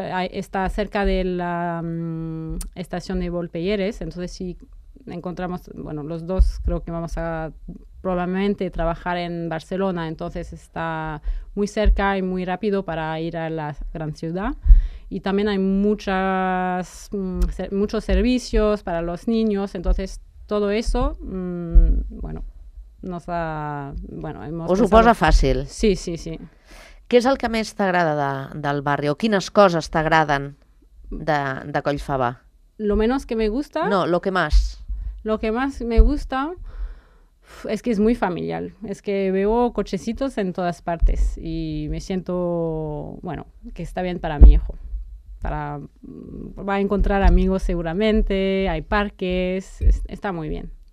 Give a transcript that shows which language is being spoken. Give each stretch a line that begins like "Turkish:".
Spanish: Está cerca de la estación de Volpelleres, entonces si encontramos, bueno, los dos creo que vamos a probablemente trabajar en Barcelona, entonces está muy cerca y muy rápido para ir a la gran ciudad. Y también hay muchos servicios para los niños, entonces todo eso, bueno, nos ha... Bueno,
Catalan: hemos... Os ho posa fàcil. Sí, sí, sí. Què és el que més t'agrada del barri o quines coses t'agraden de Collfabà?
Spanish: Lo menos que me gusta... No, lo que más. Lo que más me gusta... Es que es muy familiar, es que veo cochecitos en todas partes y me siento, bueno, que está bien para mi hijo. Va a encontrar amigos seguramente, hay parques, está muy bien.